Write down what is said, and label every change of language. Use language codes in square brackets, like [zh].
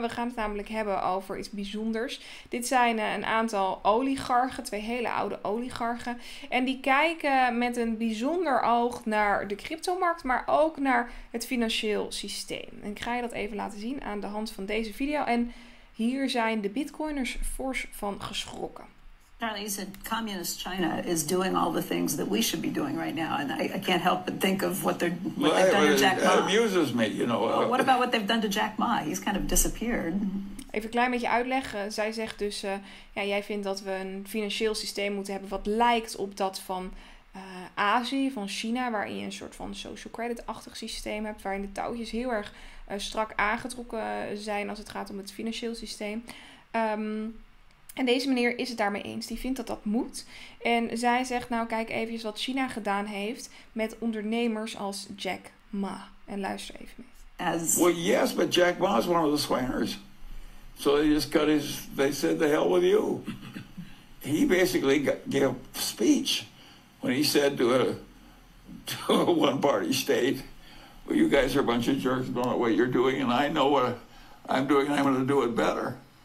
[nl] We gaan het namelijk hebben over iets bijzonders. Dit zijn een aantal oligarchen, twee hele oude oligarchen. En die kijken met een bijzonder oog naar de cryptomarkt, maar ook naar het financieel systeem. En ik ga je dat even laten zien aan de hand van deze video. En hier zijn de bitcoiners fors van geschrokken. [en] Charlie, you said communist China is doing all the things that we should be doing right now. And I can't help but think of what they've done to Jack Ma. It amuses me, you know. Well, what about what they've done to Jack Ma? He's kind of disappeared. [nl] Even een klein beetje uitleggen. Zij zegt dus, jij vindt dat we een financieel systeem moeten hebben wat lijkt op dat van Azië, van China, waarin je een soort van social credit-achtig systeem hebt, waarin de touwtjes heel erg strak aangetrokken zijn als het gaat om het financieel systeem. En deze meneer is het daarmee eens. Die vindt dat dat moet. En zij zegt, nou kijk even wat China gedaan heeft met ondernemers als Jack Ma. En luister even mee. [en] Well, yes, but Jack Ma is one of the swingers. So they just cut his, they said the hell with you. He basically gave a speech when he said to a one-party state, well, you guys are a bunch of jerks, don't know what you're doing, and I know what I'm doing, and I'm going to do it better.